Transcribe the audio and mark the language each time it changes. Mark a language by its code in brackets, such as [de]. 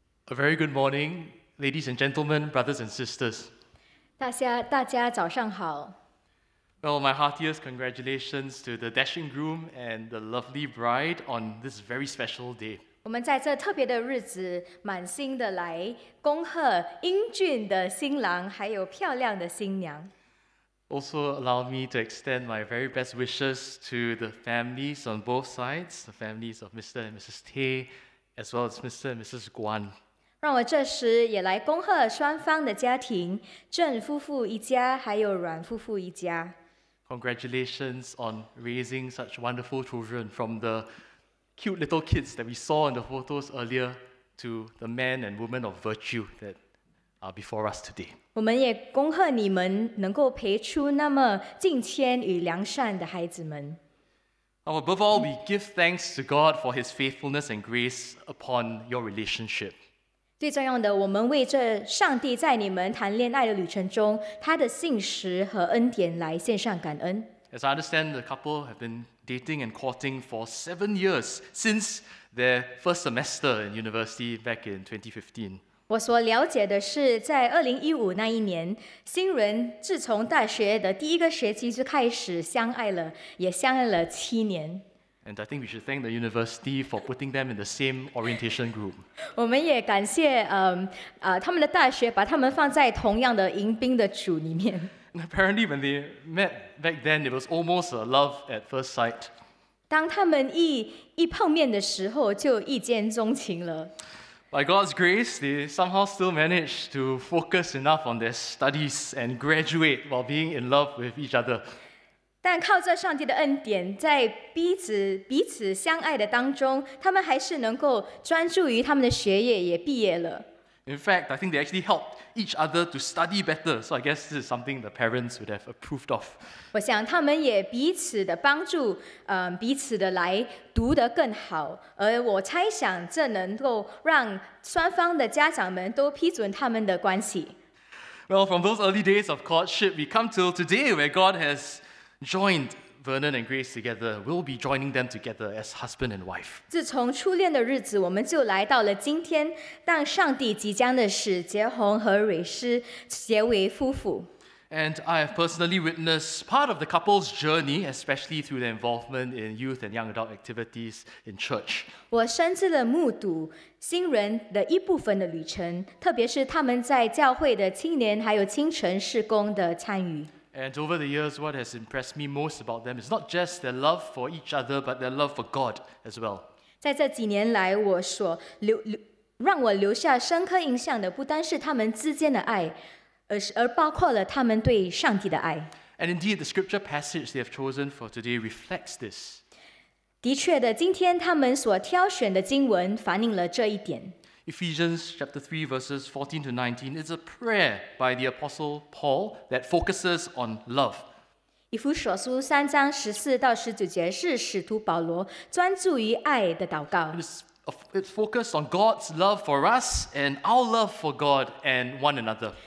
[en] A very good morning, ladies and gentlemen, brothers and sisters. [zh] 大家早上好。 [en] Well, my heartiest congratulations to the dashing groom and the lovely bride on this very special day. [zh] 我们在这特别的日子，满心的来恭贺英俊的新郎还有漂亮的新娘。 [en] Also, allow me to extend my very best wishes to the families on both sides, the families of Mr. and Mrs. Tay, as well as Mr. and Mrs. Guan. [zh] 让我这时也来恭贺双方的家庭，郑夫妇一家，还有阮夫妇一家。 [en] Congratulations on raising such wonderful children, from the cute little kids that we saw in the photos earlier to the men and women of virtue that are before us today. [zh] 我们也恭贺你们能够培出那么敬虔与良善的孩子们。 [en] Above all, we give thanks to God for His faithfulness and grace upon your relationship. [zh] 最重要的，我们为这上帝在你们谈恋爱的旅程中他的信实和恩典来献上感恩。 [en] As I understand, the couple have been dating and courting for 7 years since their first semester in university back in 2015. [zh] 我所了解的是，在2015那一年，新人自从大学的第一个学期就开始相爱了，也相爱了7年。 [en] And I think we should thank the university for putting them in the same orientation group. [zh] 我们也感谢他们的大学把他们放在同样的迎宾的组里面。 [en] And apparently, when they met back then, it was almost a love at first sight. [zh] 当他们一碰面的时候，就一见钟情了。 [en] By God's grace, they somehow still managed to focus enough on their studies and graduate while being in love with each other. [zh] 但靠着上帝的恩典，在彼此相爱的当中，他们还是能够专注于他们的学业，也毕业了。 [en] In fact, I think they actually helped each other to study better. So I guess this is something the parents would have approved of. [zh] 我想他们也彼此的帮助，彼此的来读得更好。而我猜想，这能够让双方的家长们都批准他们的关系。 [en] Well, from those early days of courtship, we come till today, where God has joined Vernon and Grace together, we'll be joining them together as husband and wife. [zh] 自从初恋的日子，我们就来到了今天，当上帝即将的使杰宏和蕊诗结为夫妇。 [en] And I have personally witnessed part of the couple's journey, especially through their involvement in youth and young adult activities in church. [zh] 我深切的目睹新人的一部分的旅程，特别是他们在教会的青年还有青晨事工的参与。 [en] And over the years, what has impressed me most about them is not just their love for each other, but their love for God as well. [zh] 在这几年来，我所让我留下深刻印象的不单是他们之间的爱，而包括了他们对上帝的爱。 [en] And indeed, the scripture passage they have chosen for today reflects this. [zh] 的确的，今天他们所挑选的经文反映了这一点。 [en] Ephesians chapter 3 verses 14 to 19 is a prayer by the apostle Paul that focuses on love. [zh] 以弗所书三章十四到十九节是使徒保罗专注于爱的祷告。 [en] It's focused on God's love for us and our love for God and one another.